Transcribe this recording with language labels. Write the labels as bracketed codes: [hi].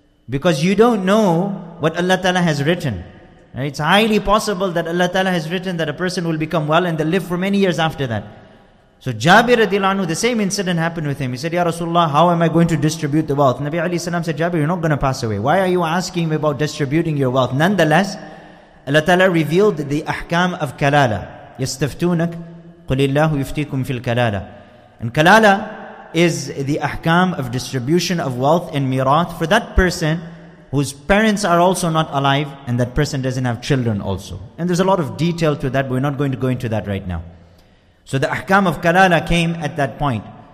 [en] Because you don't know what Allah Ta'ala has written. It's highly possible that Allah Ta'ala has written that a person will become well and they'll live for many years after that. So Jabir radiallahu anhu, the same incident happened with him. He said, Ya Rasulullah, how am I going to distribute the wealth? Nabi alayhi salam said, Jabir, you're not going to pass away. Why are you asking me about distributing your wealth? Nonetheless, Allah Ta'ala revealed the ahkam of kalala. [ar] يستفتونك قل الله يفتيكم في الكلالة. [en] And kalala is the ahkam of distribution of wealth in mirath for that person whose parents are also not alive, and that person doesn't have children also. And there's a lot of detail to that, but we're not going to go into that right now. So the ahkam of kalala came at that point.